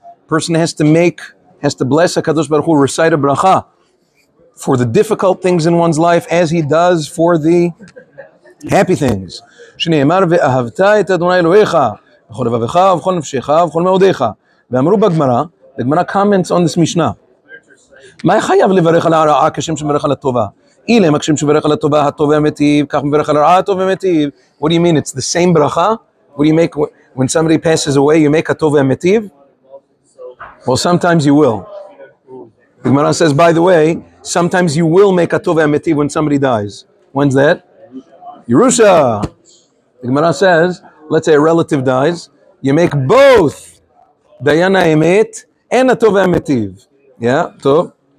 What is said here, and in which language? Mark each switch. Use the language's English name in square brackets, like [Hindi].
[English] Person has to bless HaKadosh Baruch Hu, recite a bracha for the difficult things in one's life as he does for the happy things. [Hebrew] שנאמר ואהבת את אדוני אלוהיך בכל לבבך ובכל נפשך ובכל מאודיך. ואמרו בגמרא, [English] the Gemara comments on this Mishnah. [Hebrew] מה חייב לברך על הרעה כשם שברך על הטובה? אילה מקשם שברך על הטובה הטוב המטיב, כך מברך על הרעה הטוב המטיב. [English] What do you mean? It's the same ברכה? What do you make when somebody passes away, you make הטוב המטיב? Well, sometimes you will. The Gemara says, by the way, sometimes you will make הטוב המטיב when somebody dies. When's that? Yerusha! The Gemara says, let's say a relative dies, you make both Dayan HaEmet and Atov HaMetiv. Yeah, Tov.